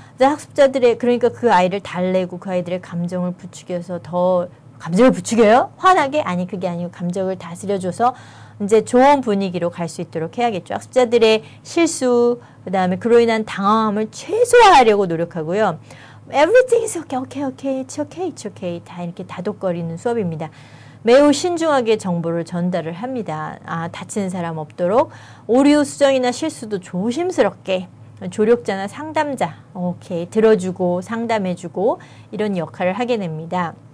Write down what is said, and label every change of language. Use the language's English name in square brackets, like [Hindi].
[Korean] 학습자들의 그러니까 그 아이를 달래고 그 아이들의 감정을 부추겨서 더 감정을 부추겨요? 화나게? 아니 그게 아니고 감정을 다스려줘서 이제 좋은 분위기로 갈 수 있도록 해야겠죠. 학습자들의 실수 그다음에 그로 인한 당황함을 최소화하려고 노력하고요. [English] Everything is okay, okay, okay, it's okay, it's okay. [Korean] 다 이렇게 다독거리는 수업입니다. 매우 신중하게 정보를 전달을 합니다. 아, 다친 사람 없도록 오류 수정이나 실수도 조심스럽게 조력자나 상담자 오케이 들어주고 상담해주고 이런 역할을 하게 됩니다.